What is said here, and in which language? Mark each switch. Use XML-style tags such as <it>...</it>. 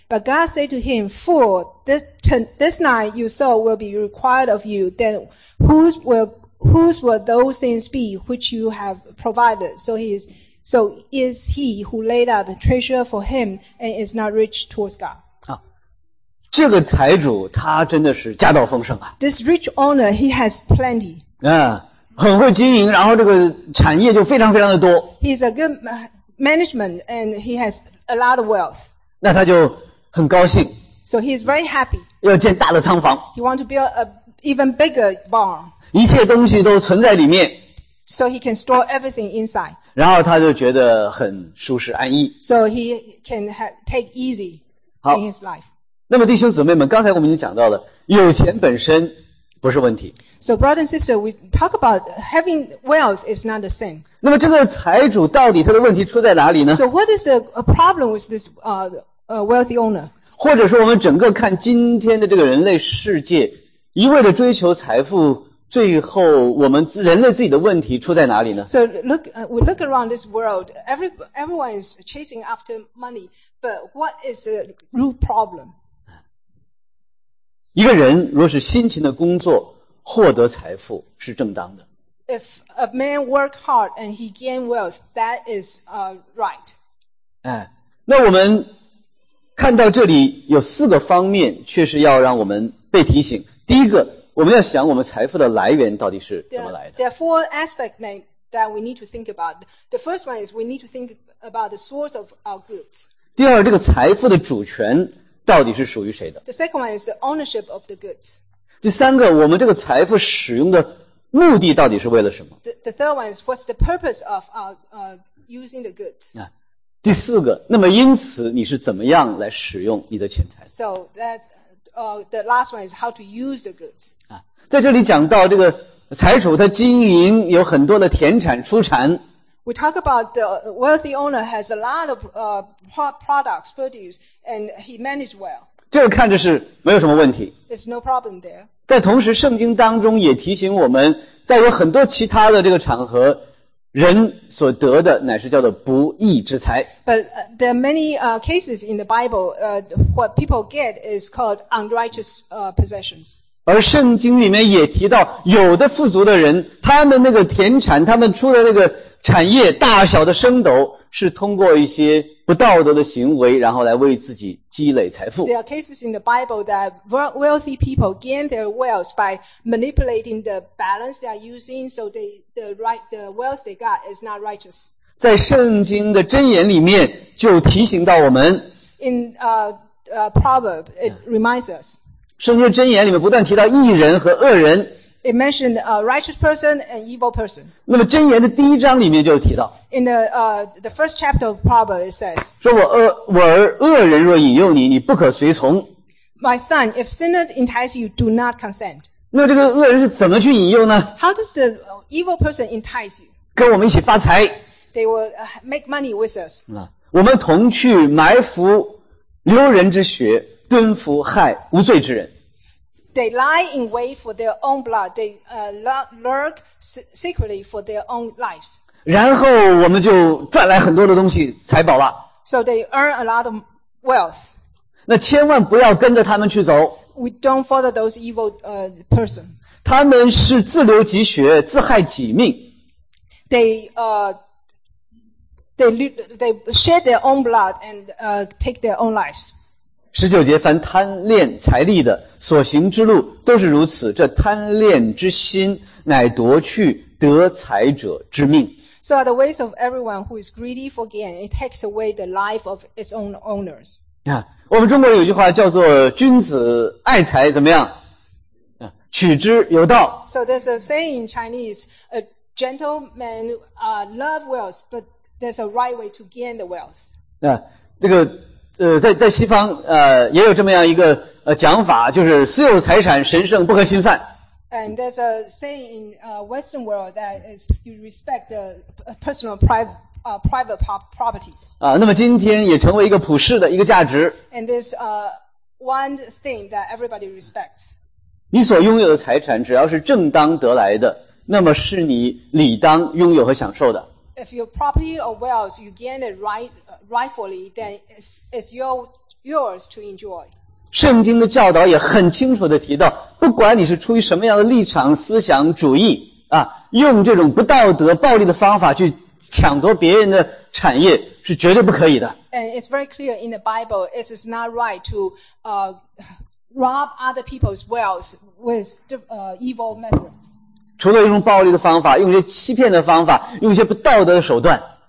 <en>But God said to him, fool, this night your soul will be required of you, then whose will those things be which you have provided? So is he who laid out the treasure for him and is not rich towards God.</en> <zh>啊，这个财主他真的是家道丰盛啊。</zh> <en>This rich owner, he has plenty.</en> <zh>啊，很会经营，然后这个产业就非常非常的多。</zh> <en>He's a good management and he has a lot of wealth.</en> <zh>那他就很高兴。</zh> <en>So he's very happy.</en> <zh>要建大的仓房。</zh> <en>He want to build an even bigger barn.</en> <zh>一切东西都存在里面。</zh> <en>So he can store everything inside.</en> <zh>然后他就觉得很舒适安逸。</zh> <en>So he can take easy in his life.</en> <zh>那么弟兄姊妹们，刚才我们已经讲到了，有钱本身不是问题。</zh> <en>So brother and sister, we talk about having wealth is not the same.</en> <zh>那么这个财主到底他的问题出在哪里呢？</zh> <en>So what is the problem with this wealthy owner?</en> <zh>或者说我们整个看今天的这个人类世界，一味的追求财富，最后我们人类自己的问题出在哪里呢？</zh> <en>So look, we look around this world, everyone is chasing after money, but what is the root problem?</en> <zh>一个人若是辛勤的工作获得财富是正当的。</zh> <en>If a man work hard and he gain wealth, that is right.</en> <zh>哎，那我们看到这里有四个方面确实要让我们被提醒。第一个，我们要想我们财富的来源到底是怎么来的。</zh> <en>There are four aspects that we need to think about. The first one is we need to think about the source of our goods.</en> <zh>第二，这个财富的主权到底是属于谁的。</zh> <en>The second one is the ownership of the goods.</en> <zh>第三个，我们这个财富使用的目的到底是为了什么。</zh> <en>The third one is what's the purpose of our using the goods.</en> <zh>第四个，那么因此你是怎么样来使用你的钱财。</zh> <en>So that,the last one is how to use the goods.</en> <zh>在这里讲到这个财主他经营有很多的田产出产。</zh> <en>We talk about the wealthy owner has a lot of products produced and he managed well.</en> <zh>这个看着是没有什么问题。</zh> <en>There's no problem there.</en> <zh>但同时圣经当中也提醒我们，在有很多其他的这个场合，人所得的乃是叫做不义之财。</zh> <en>But there are many cases in the Bible, what people get is called unrighteous possessions.</en> <zh>而圣经里面也提到，有的富足的人，他们那个田产，他们出的那个产业，大小的升斗，是通过一些不道德的行为，然后来为自己积累财富。</zh> <en>There are cases in the Bible that wealthy people gain their wealth by manipulating the balance they are using, so the wealth they got is not righteous.</en> <zh>在圣经的箴言里面就提醒到我们。</zh> <en>In Proverb, it reminds us.</en> <zh>圣经箴言里面不断提到义人和恶人。</zh> <en>It mentioned a righteous person and evil person.</en> <zh>那么箴言的第一章里面就提到。</zh> <en>In the first chapter of Proverbs, it says,</en> <zh>说我儿恶人若引诱你，你不可随从。</zh> <en>My son, if sinner entice you, do not consent.</en> <zh>那么这个恶人是怎么去引诱呢？</zh> <en>How does the evil person entice you?</en> <zh>跟我们一起发财。</zh> <en>They will make money with us.</en> <zh>我们同去埋伏流人之血，蹲伏害无罪之人。</zh> <en>They lie in wait for their own blood. They lurk secretly for their own lives.</en> <zh>然后我们就赚来很多的东西，财宝了。</zh> <en>So they earn a lot of wealth.</en> <zh>那千万不要跟着他们去走。</zh> <en>We don't follow those evil person.</en> <zh>他们是自流己血，自害己命。</zh> <en>They shed their own blood and take their own lives.</en> <zh>十九节，凡贪恋财力的所行之路都是如此，这贪恋之心乃夺去得财者之命。</zh> <en>So are the ways of everyone who is greedy for gain, it takes away the life of its own owners.</en> <zh>我们中国有句话叫做君子爱财怎么样？取之有道。</zh> <en>So there's a saying in Chinese, a gentleman love wealth, but there's a right way to gain the wealth.</en> <zh>这个在西方也有这么样一个讲法，就是私有财产神圣不可侵犯。</zh> <en>And there's a saying in Western world that is you respect the personal private properties.</en> <zh>那么今天也成为一个普世的一个价值。</zh> <en>And this one thing that everybody respects.</en> <zh>你所拥有的财产只要是正当得来的，那么是你理当拥有和享受的。</zh> <en>If your property or wealth you gain it rightfully, then it's yours to enjoy.</en> <zh>圣经的教导也很清楚地提到，不管你是出于什么样的立场、思想、主义啊，用这种不道德、暴力的方法去抢夺别人的产业是绝对不可以的。</zh> <en>And it's very clear in the Bible, it is not right to rob other people's wealth with evil methods.</en> <zh>除了用暴力的方法，用一些欺骗的方法，用一些不道德的手段。</zh>